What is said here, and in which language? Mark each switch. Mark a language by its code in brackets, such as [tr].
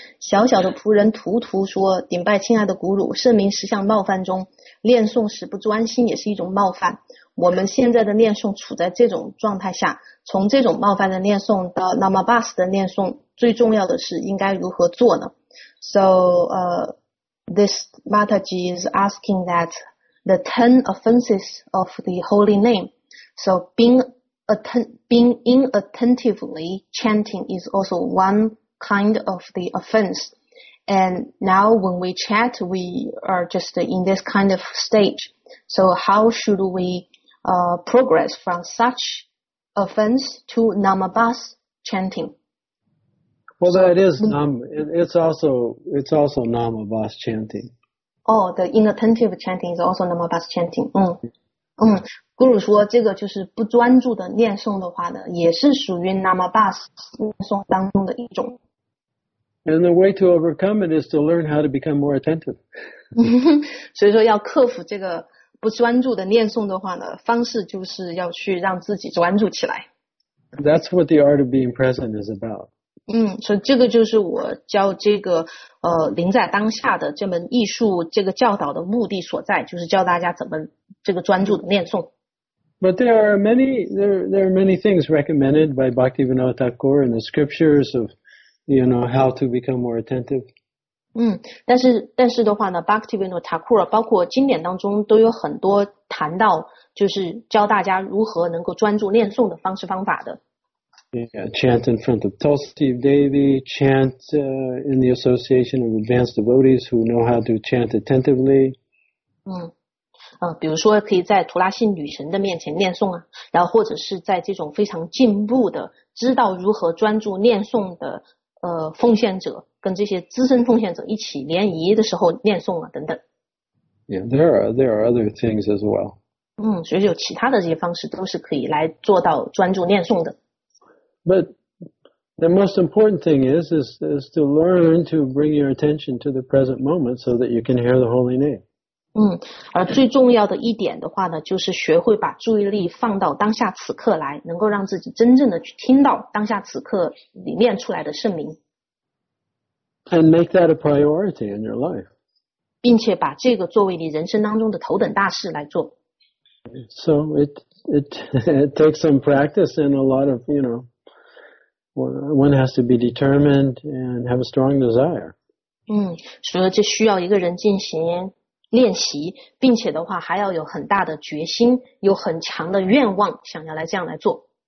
[zh] 小小的仆人图图说，顶拜亲爱的古鲁，圣名十项冒犯中，念诵时不专心也是一种冒犯。我们现在的念诵处在这种状态下，从这种冒犯的念诵到 Namabas 的念诵，最重要的是应该如何做呢？ [en] So, this Mataji is asking that the 10 offenses of the holy name, so being inattentively chanting is also one kind of the offense. And now when we chat, we are just in this kind of stage. So how should we progress from such offense to Namabas chanting? Well, that is it's also Namabas chanting. Oh, the inattentive chanting is also Namabas chanting. [zh] Guru 说这个就是不专注的念诵的话呢，也是属于 Namabas 念诵当中的一种。 [en] And the way to overcome it is to learn how to become more attentive. [zh] 所以说要克服这个不专注的念诵的话呢，方式就是要去让自己专注起来。 [en] That's what the art of being present is about. [zh] 所以这个就是我教这个临在当下的这门艺术这个教导的目的所在，就是教大家怎么这个专注的念诵。 [en] But there are many things recommended by Bhaktivinoda Thakur in the scriptures of, you know, how to become more attentive. [zh] 但是的话呢 ,Bhaktivinoda Thakur 包括经典当中都有很多谈到就是教大家如何能够专注念诵的方式方法的。 [en] Yeah, chant in front of Tulsi Devi, chant in the association of advanced devotees who know how to chant attentively. [zh] 比如说可以在图拉信女神的面前念诵啊，然后或者是在这种非常进步的知道如何专注念诵的奉献者跟这些资深奉献者一起联谊的时候念诵啊等等。 [en] Yeah, there are other things as well. [zh] 所以有其他的这些方式都是可以来做到专注念诵的。 [en] But the most important thing is to learn to bring your attention to the present moment so that you can hear the holy name. [zh] 而最重要的一点的话呢，就是学会把注意力放到当下此刻来，能够让自己真正的去听到当下此刻里面出来的圣名。 [en] And make that a priority in your life. [zh] 并且把这个作为你人生当中的头等大事来做。 [en] So it takes some practice and a lot of, you know, one has to be determined and have a strong desire. [zh] 所以这需要一个人进行练习，并且的话还要有很大的决心，有很强的愿望，想要来这样来做。